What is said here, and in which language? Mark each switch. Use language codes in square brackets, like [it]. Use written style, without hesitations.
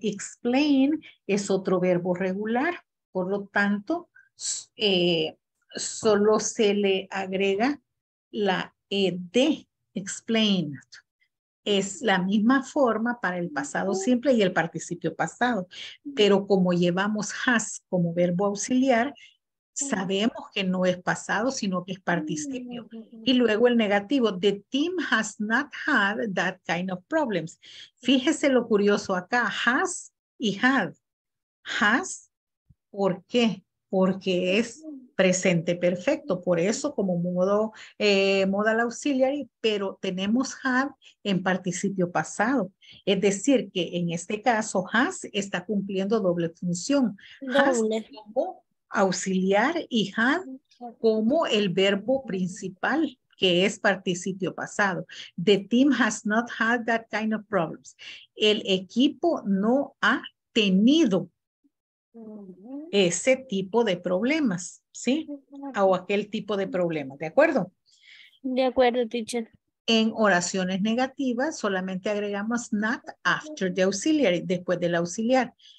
[es] Explain es otro verbo regular. Por lo tanto, solo se le agrega la ed, explained. Es la misma forma para el pasado simple y el participio pasado. Pero como llevamos has como verbo auxiliar, sabemos que no es pasado, sino que es participio. Y luego el negativo, [en] the team has not had that kind of problems. [es] Fíjese lo curioso acá, has y had. Has, ¿por qué? Porque es presente perfecto, por eso como modo modal auxiliary, pero tenemos had en participio pasado. Es decir, que en este caso has está cumpliendo doble función. Has como auxiliar y had como el verbo principal, que es participio pasado. [en] The team has not had that kind of problems. [es] El equipo no ha tenido ese tipo de problemas, ¿sí? O aquel tipo de problemas, ¿de acuerdo? De acuerdo, teacher. En oraciones negativas solamente agregamos [en] not after the auxiliary, [es] después del auxiliar.